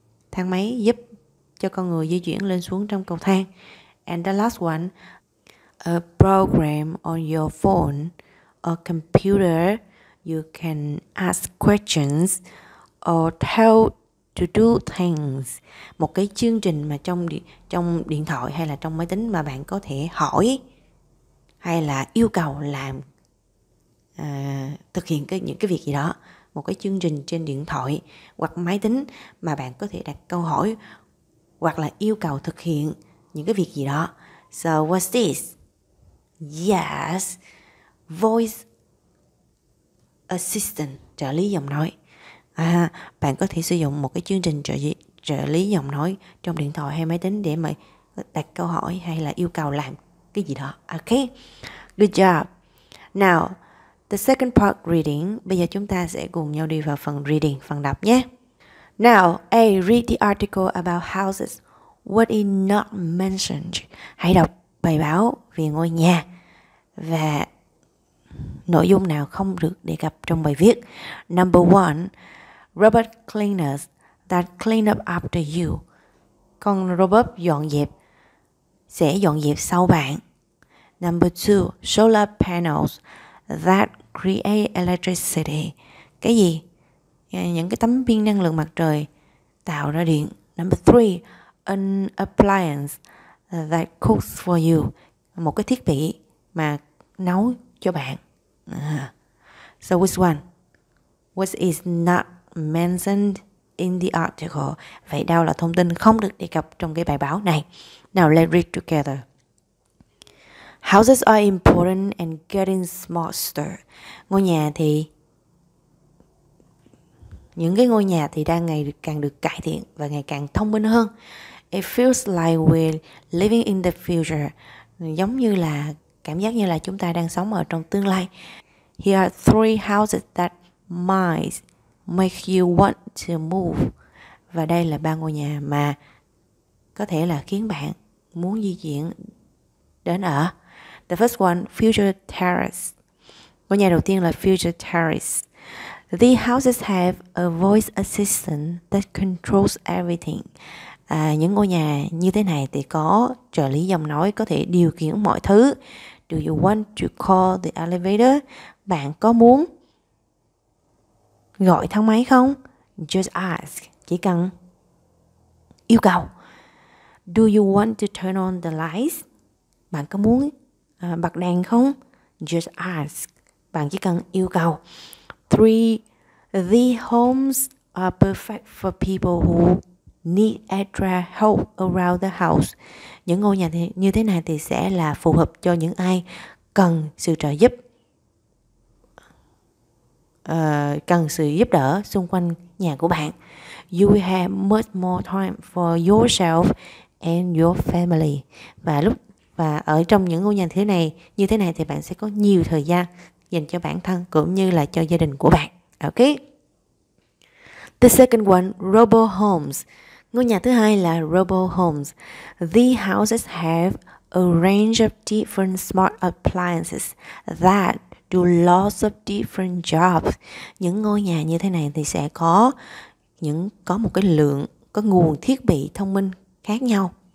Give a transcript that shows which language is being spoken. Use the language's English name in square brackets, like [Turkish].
[Vietnamese] Thang máy giúp cho con người di chuyển lên xuống trong cầu thang. [English] And the last one, a program on your phone or computer, you can ask questions or tell to do things. [Vietnamese] Một cái chương trình mà trong điện thoại hay là trong máy tính mà bạn có thể hỏi hay là yêu cầu làm thực hiện những cái việc gì đó. Một cái chương trình trên điện thoại hoặc máy tính mà bạn có thể đặt câu hỏi hoặc là yêu cầu thực hiện những cái việc gì đó. [English] So what's this? Yes, voice assistant, [Vietnamese] trợ lý giọng nói. Bạn có thể sử dụng một cái chương trình trợ lý giọng nói trong điện thoại hay máy tính để mà đặt câu hỏi hay là yêu cầu làm cái gì đó. [English] Okay, good job. Now, the second part reading. [Vietnamese] Bây giờ chúng ta sẽ cùng nhau đi vào phần reading, phần đọc nhé. [English] Now, A, read the article about houses. What is not mentioned? [Vietnamese] Hãy đọc bài báo về ngôi nhà và nội dung nào không được đề cập trong bài viết. [English] Number one, robot cleaners that clean up after you. [Vietnamese] Con robot dọn dẹp sẽ dọn dẹp sau bạn. [English] Number two, solar panels that create electricity. [Vietnamese] Cái gì? Những cái tấm pin năng lượng mặt trời tạo ra điện. [English] Number three, an appliance that cooks for you. [Vietnamese] Một cái thiết bị mà nấu cho bạn. [English] So which one? What is not mentioned in the article? [Vietnamese] Vậy đâu là thông tin không được đề cập trong cái bài báo này? [English] Now let's read together. Houses are important and getting smarter. [Vietnamese] Ngôi nhà thì những cái ngôi nhà thì đang ngày càng được cải thiện và ngày càng thông minh hơn. [English] It feels like we're living in the future. [Vietnamese] Giống như là cảm giác như là chúng ta đang sống ở trong tương lai. [English] Here are three houses that might make you want to move. [Vietnamese] Và đây là ba ngôi nhà mà có thể là khiến bạn muốn di chuyển đến ở. [English] The first one, Future Terrace. [Vietnamese] Ngôi nhà đầu tiên là Future Terrace. [English] These houses have a voice assistant that controls everything. [Vietnamese] Những ngôi nhà như thế này thì có trợ lý giọng nói có thể điều khiển mọi thứ. [English] Do you want to call the elevator? [Vietnamese] Bạn có muốn gọi thang máy không? [English] Just ask. [Vietnamese] Chỉ cần yêu cầu. [English] Do you want to turn on the lights? [Vietnamese] Bạn có muốn bật đèn không? [English] Just ask. [Vietnamese] Bạn chỉ cần yêu cầu. [English] Three, the homes are perfect for people who need extra help around the house. [Vietnamese] Những ngôi nhà như thế này thì sẽ là phù hợp cho những ai cần sự trợ giúp, cần sự giúp đỡ xung quanh nhà của bạn. [English] You will have much more time for yourself and your family. [Vietnamese] Và ở trong những ngôi nhà như thế này thì bạn sẽ có nhiều thời gian dành cho bản thân cũng như là cho gia đình của bạn. Ok. [English] The second one, robo homes. [Vietnamese] Ngôi nhà thứ hai là robo homes. [English] These houses have a range of different smart appliances that do lots of different jobs. [Vietnamese] Những ngôi nhà như thế này thì sẽ có một cái lượng, có nguồn thiết bị thông minh khác nhau.